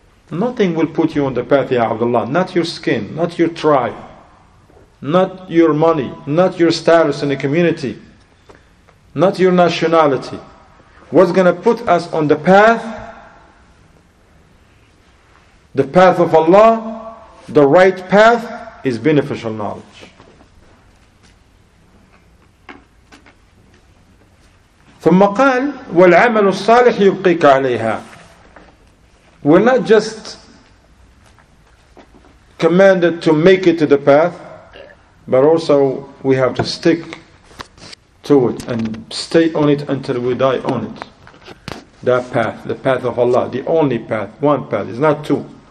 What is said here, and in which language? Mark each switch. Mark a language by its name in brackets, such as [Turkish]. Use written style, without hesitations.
[English] Nothing will put you on the path, Ya Abdullah. Not your skin, not your tribe, not your money, not your status in the community, not your nationality. What's going to put us on the path of Allah, the right path, is beneficial knowledge. [Arabic] ثم قال والعمل الصالح يبقيك عليها. [English] We're not just commanded to make it to the path, but also we have to stick to it and stay on it until we die on it. That path, the path of Allah, the only path, one path, it's not two.